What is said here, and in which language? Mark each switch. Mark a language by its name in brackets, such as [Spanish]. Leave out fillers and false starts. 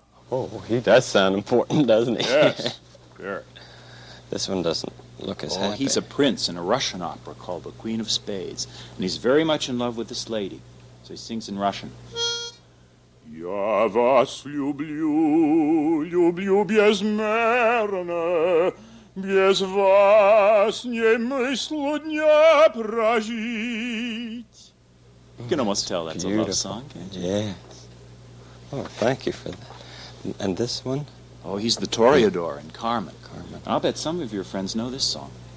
[English] Oh, he does sound important, doesn't he? Yes, sure. This one doesn't look as happy. Oh, he's a prince in a Russian opera called The Queen of Spades, and he's very much in love with this lady. So he sings in Russian. [Russian] Я вас люблю, люблю безмерно. Без вас не мыслю дня прожить. [English] You can almost tell that's beautiful. A love song, can't you? Yes. Oh, thank you for that. And this one? Oh, he's the Toreador in Carmen. Carmen. I'll bet some of your friends know this song.